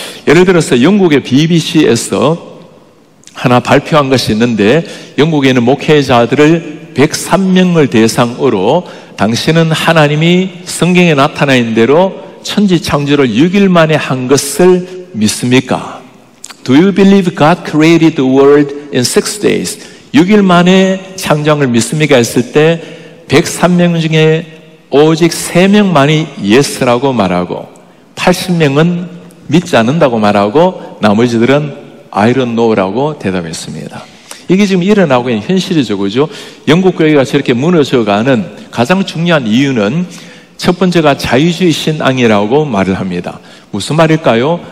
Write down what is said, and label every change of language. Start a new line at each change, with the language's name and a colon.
Korean: 예를 들어서 영국의 BBC에서 하나 발표한 것이 있는데 영국에는 목회자들을 103명을 대상으로 당신은 하나님이 성경에 나타난 대로 천지창조를 6일 만에 한 것을 믿습니까?
English: Do you believe God created the world in 6 days?
Korean: 6일 만에 창조한 걸 믿습니까? 했을 때 103명 중에 오직 3명만이 예스라고 말하고 80명은 믿지 않는다고 말하고 나머지들은 I don't know라고 대답했습니다. 이게 지금 일어나고 있는 현실이죠, 그죠? 영국 교회가 저렇게 무너져가는 가장 중요한 이유는 첫 번째가 자유주의 신앙이라고 말을 합니다. 무슨 말일까요?